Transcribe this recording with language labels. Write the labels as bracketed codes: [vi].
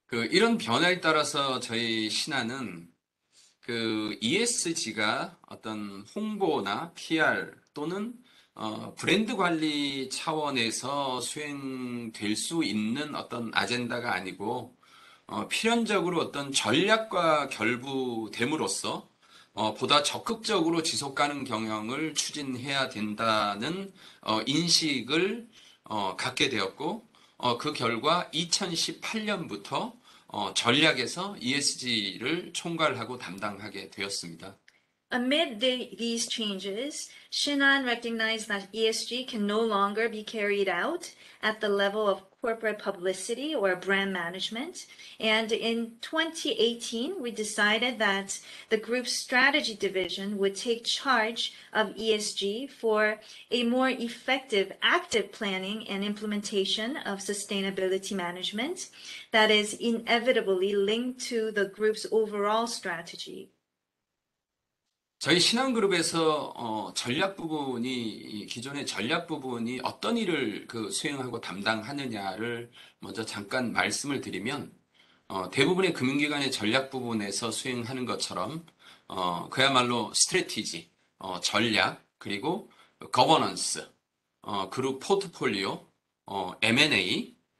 [ko] 이런 변화에 따라서 저희 신한은 ESG가 어떤 홍보나 PR 또는 브랜드 관리 차원에서 수행될 수 있는 어떤 아젠다가 아니고 필연적으로 어떤 전략과 결부됨으로써 보다 적극적으로 지속 가능 경영을 추진해야 된다는 인식을 갖게 되었고 그 결과 2018년부터 전략에서 ESG를 총괄하고 담당하게 되었습니다. [en] Amid these changes, Shinhan recognized that ESG can no longer be carried out at the level of corporate publicity or brand management. And in 2018, we decided that the group's strategy division would take charge of ESG for a more effective, active planning and implementation of sustainability management that is inevitably linked to the group's overall strategy. [ko] 저희 신한그룹에서 전략 부분이 기존의 전략 부분이 어떤 일을 수행하고 담당하느냐를 먼저 잠깐 말씀을 드리면 대부분의 금융기관의 전략 부분에서 수행하는 것처럼 그야말로 스트래티지, 전략, 그리고 거버넌스, 그룹 포트폴리오, M&A,